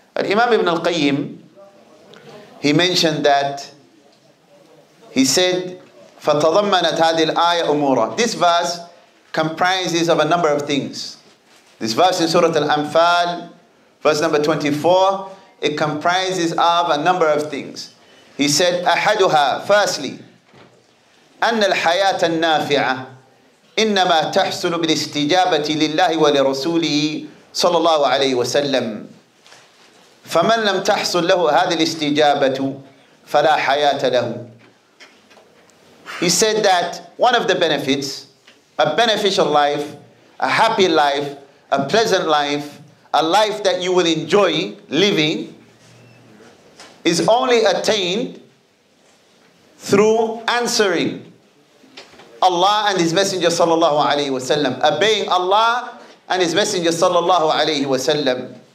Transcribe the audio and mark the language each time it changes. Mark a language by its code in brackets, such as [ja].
[en] Al-Imam Ibn Al-Qayyim, he mentioned that he said, [ar] فَتَضَمَّنَتْ هَذِي الْآيَةُ أُمُورًا. [en] This verse comprises of a number of things. This verse in Surah Al-Anfal, verse number 24, it comprises of a number of things. He said, [ar] أَحَدُهَا, [en] firstly, [ar] أَنَّ الْحَيَاةَ النَّافِعَةِ إِنَّمَا تَحْسُلُ بِالِاسْتِجَابَةِ لِلَّهِ وَلِرَسُولِهِ صَلَى اللَّهُ عَلَيْهِ وَسَلَّمْ فَمَنْ لَمْ تَحْسُلْ لَهُ هَذِي الْاسْتِجَابَةُ فَلَا حَيَاةَ لَهُ. [en] He said that one of the benefits, a beneficial life, a happy life, a pleasant life, a life that you will enjoy living, is only attained through answering Allah and His Messenger sallallahu alayhi wa sallam, obeying Allah and His Messenger sallallahu alayhi wa sallam.